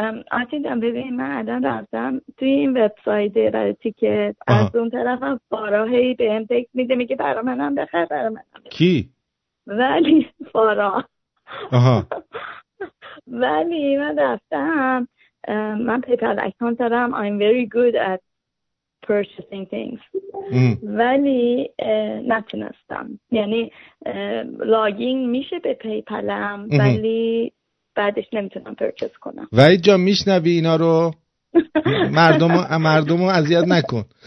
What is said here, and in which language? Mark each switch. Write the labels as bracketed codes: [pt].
[fa] آرتین جان ببین من الان رفتم توی این وبسایت برای تیکت. آه. از اون طرف هم فارا هی به هم تکس میده میگه برای من هم بخیر برای من هم. کی؟ ولی فارا. آها. ولی من رفتم من پیپال اکانت دارم. [en] I'm very good at purchasing things. [fa] ولی نتونستم، یعنی لاگین میشه به پیپلم ولی بعدش نمیتونم پرچس کنم. وحید جان میشنوی اینا رو؟ مردم رو اذیت نکن.